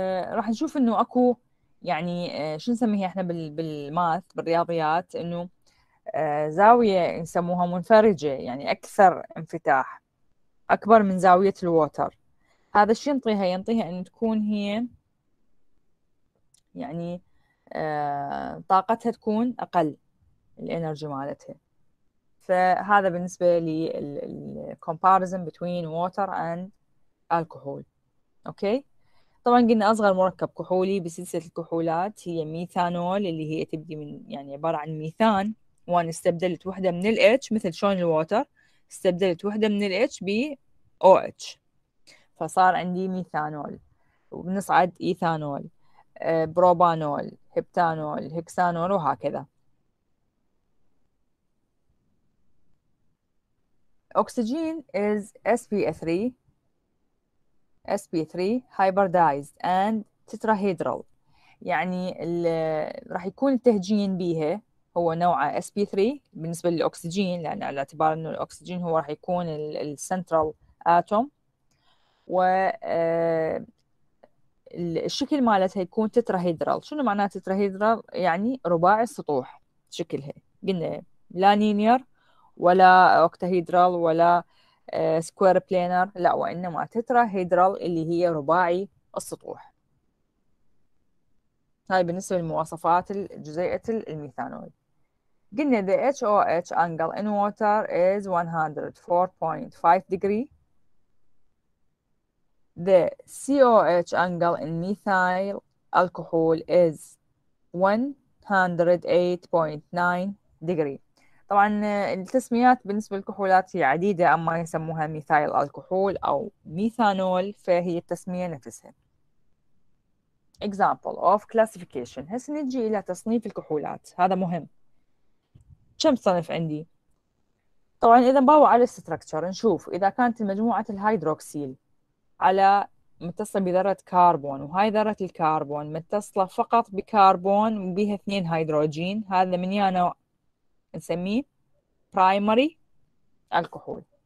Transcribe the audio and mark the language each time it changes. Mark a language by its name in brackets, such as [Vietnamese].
[Arabic] فراح نشوف انه اكو يعني شو نسميها احنا بالماث بالرياضيات، انه زاوية نسموها منفرجة، يعني اكثر انفتاح، اكبر من زاوية الووتر. هذا الشيء ينطيها ان تكون هي يعني طاقتها تكون اقل، الانرجي مالتها. فهذا بالنسبة لل [English] comparison between water and alcohol. [Arabic] اوكي، طبعا قلنا اصغر مركب كحولي بسلسلة الكحولات هي ميثانول، اللي هي تبدي من يعني عبارة عن ميثان، وان استبدلت وحدة من ال H، مثل شلون الووتر استبدلت وحدة من ال H ب OH، فصار عندي ميثانول. وبنصعد ايثانول، بروبانول، هبتانول، هكسانول، وهكذا. [English] Oxygen is sp3 sp3 hybridized and tetrahedral. [Arabic] يعني راح يكون التهجين بيها هو نوعه اس بي 3 بالنسبه للاكسجين، لان على اعتبار انه الاكسجين هو راح يكون السنترال اتوم، و الشكل مالتها يكون تتراهيدرال. شنو معناه تتراهيدرال؟ يعني رباعي السطوح شكلها، قلنا لا نينير ولا اوكتاهيدرال ولا سكوير بلانر، لا وانما تتراهيدرال اللي هي رباعي السطوح. هاي بالنسبة لمواصفات جزيئة الميثانول. قلنا [English] the HOH angle in water is 104.5 degree. The COH angle in methyl alcohol is 108.9 degree. [Arabic] طبعا التسميات بالنسبة للكحولات هي عديدة، أما يسموها ميثايل الكحول أو ميثانول فهي التسمية نفسها. [English] Example of classification. [Arabic] هسه نجي إلى تصنيف الكحولات، هذا مهم. كم صنف عندي؟ طبعا إذا باو على الستركتشر نشوف إذا كانت مجموعة الهيدروكسيل على متصلة بذرة كربون، وهاي ذرة الكربون متصلة فقط بكربون وبها اثنين هيدروجين، هذا من يا نوع نسميه primary الكحول.